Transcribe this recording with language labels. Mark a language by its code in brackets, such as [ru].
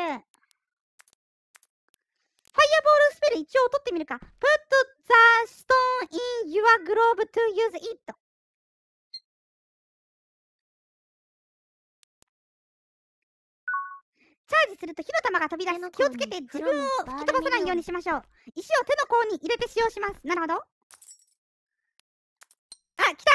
[ja] ファイアボールスペル一応取ってみるか。 [en] Put the stone in your glove to use it. [ja] チャージすると火の玉が飛び出す。気をつけて自分を吹き飛ばさないようにしましょう。石を手の甲に入れて使用します。なるほど。あ、来た。